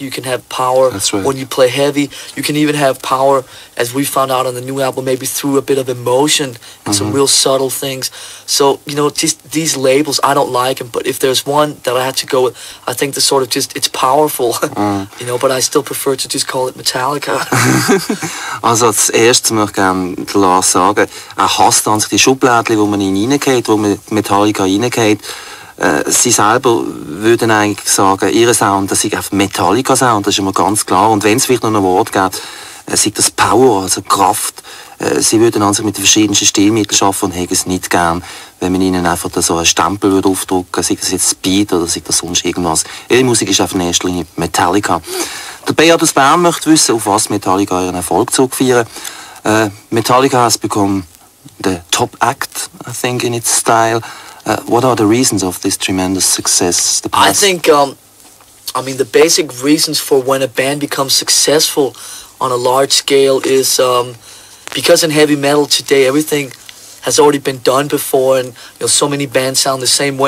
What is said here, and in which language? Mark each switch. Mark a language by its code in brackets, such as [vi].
[en] You can have power when you play heavy. You can even have power, as we found out on the new album, maybe through a bit of emotion and some real subtle things. So, you know, just these labels, I don't like them. But if there's one that I had to go with, I think the sort of just, it's powerful, you know, but I still prefer to just call it Metallica. [de] Also, als erstes möchte ich Lars sagen, er hasst an sich die Schublade, wo man ihn reingeht, wo man Metallica reingeht. Sie selber würden eigentlich sagen, ihr Sound, das sei einfach Metallica-Sound, das ist immer ganz klar. Und wenn es vielleicht noch ein Wort gibt, sei das Power, also Kraft. Sie würden an sich mit den verschiedensten Stilmitteln arbeiten und hätten es nicht gern, wenn man ihnen einfach so einen Stempel aufdrücken würde, sei das jetzt Speed oder sei das sonst irgendwas. Ihre Musik ist einfach in erster Linie Metallica. Der Beat aus Bern möchte wissen, auf was Metallica ihren Erfolg zurückführen. [en] Metallica has become the top act, I think, in its style. What are the reasons of this tremendous success? I think, I mean, the basic reasons for when a band becomes successful on a large scale is because in heavy metal today, everything has already been done before, and you know, so many bands sound the same.